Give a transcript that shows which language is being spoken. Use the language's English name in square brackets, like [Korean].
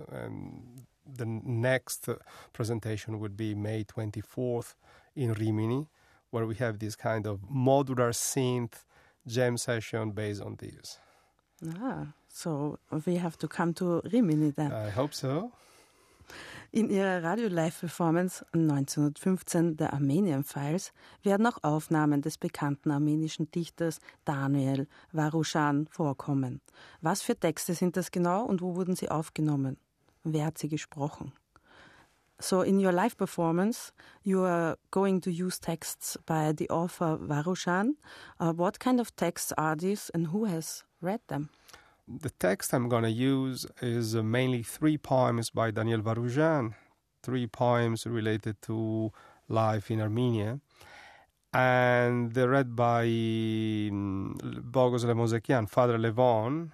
[English] And the next presentation will be May 24th in Rimini, where we have this kind of modular synth jam session based on this. Ah, so we have to come to Rimini then. I hope so. [German] In ihrer Radio-Live-Performance 1915 der Armenian Files werden auch Aufnahmen des bekannten armenischen Dichters Daniel Varushan vorkommen. Was für Texte sind das genau und wo wurden sie aufgenommen? Wer hat sie gesprochen? [English] So in your live performance, you are going to use texts by the author Varushan. What kind of texts are these and who has read them? The text I'm going to use is mainly three poems by Daniel Varushan, three poems related to life in Armenia, and they're read by Bogos Lemozekian, Father Levon.